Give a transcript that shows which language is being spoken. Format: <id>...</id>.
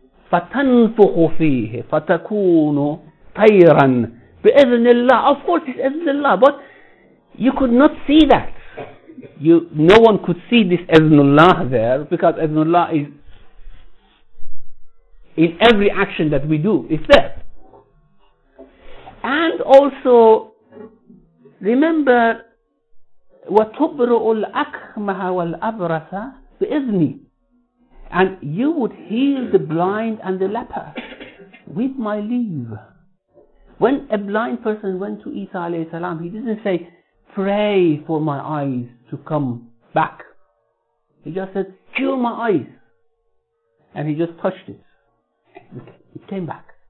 <ar>فَتَنْفُخُ فِيهِ فَتَكُونُ طَيْرًا بِإِذْنِ اللَّهِ.</ar> <en>Of course, it's إِذْنِ اللَّهِ, but you could not see that. No one could see this إِذْنُ اللَّهِ there, because إِذْنُ اللَّهِ is in every action that we do, it's there. And also, remember,</en> <ar>وَتُبْرُؤُ الْأَكْمَهَ وَالْأَبْرَثَ بِإِذْنِي.</ar> <en>And you would heal the blind and the leper with my leave. When a blind person went to Isa alayhi salam, he didn't say, pray for my eyes to come back. He just said, cure my eyes. And he just touched it. It came back.</en>